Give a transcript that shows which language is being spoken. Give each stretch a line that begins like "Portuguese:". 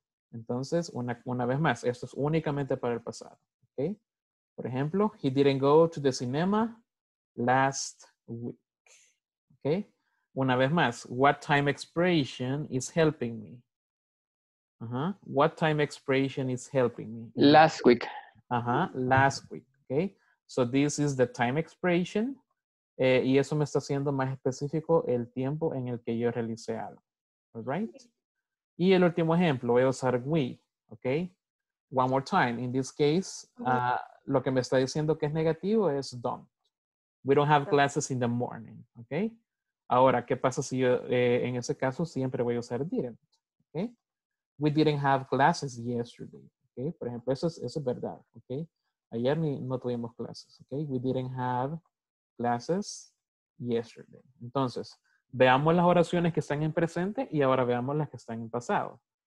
Spanish: Entonces, una vez más, esto es únicamente para el pasado. ¿Ok? Por ejemplo,
English: he didn't go to the cinema last week. ¿Ok?
Spanish: Una vez más,
English: what time expression is helping me? Uh-huh. What time expression is helping me? Last week. Ajá, last week, ok. So this is the time expression.
Spanish: Y eso me está haciendo más específico el tiempo en el que yo realicé algo. Alright. Y el último ejemplo, voy a usar we, ok.
English: One more time. In this case,
Spanish: lo que me está diciendo que es negativo es don't.
English: We don't have classes in the morning, ok.
Spanish: Ahora, ¿qué pasa si yo, en ese caso, siempre voy a usar didn't, ok?
English: We didn't have classes yesterday. Okay,
Spanish: por ejemplo, eso es verdad,
English: ok.
Spanish: Ayer no tuvimos clases,
English: ok. We didn't have classes yesterday.
Spanish: Entonces, veamos las oraciones que están en presente y ahora veamos las que están en pasado.